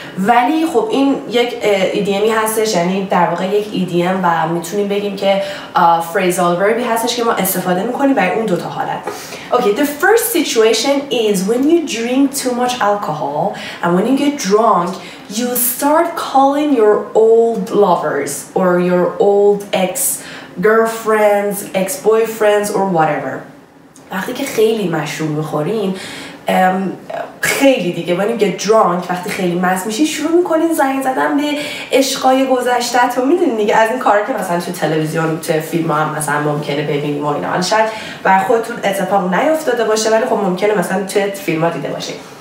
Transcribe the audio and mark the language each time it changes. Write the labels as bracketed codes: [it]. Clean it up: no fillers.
[fa] ولی خب این یک ایدیمی هستش، یعنی در واقع یک ایدیم و میتونیم بگیم که phrasal verbی هستش که ما استفاده میکنیم برای اون دوتا حالت. [en] Okay, the first situation is when you drink too much alcohol and when you get drunk, you start calling your old lovers or your old ex-girlfriends, ex-boyfriends or whatever. [fa] وقتی که خیلی مشروب میخورین، خیلی دیگه [en] when you get drunk، [fa] وقتی خیلی مست میشی شروع میکنین زنگ زدن به عشقای گذشته تو. میدونین دیگه از این کارا که مثلا تو تلویزیون تو فیلم ها مثلا ممکنه ببینیم و اینا، شاید بر خودتون اتفاق نیفتاده باشه ولی خب ممکنه مثلا تو فیلم ها دیده باشی.